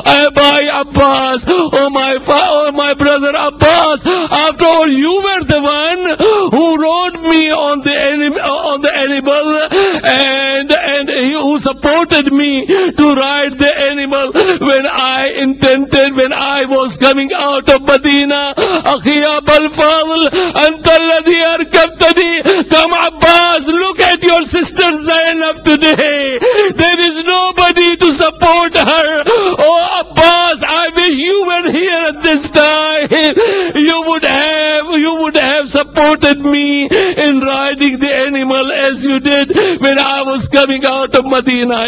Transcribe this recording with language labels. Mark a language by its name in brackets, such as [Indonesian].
[English] By Abbas, oh my brother Abbas, after all, you were the one who rode me on the animal and he who supported me to ride the animal when I was coming out of Medina. [Arabic] أخي أبو الفضل أنت الذي أركبتني. [English] Come Abbas, look at your sister Zainab today. There is nobody to support her. Oh Abbas, I wish you were here at this time. You would have supported me in riding the animal as you did when I was coming out of Medina.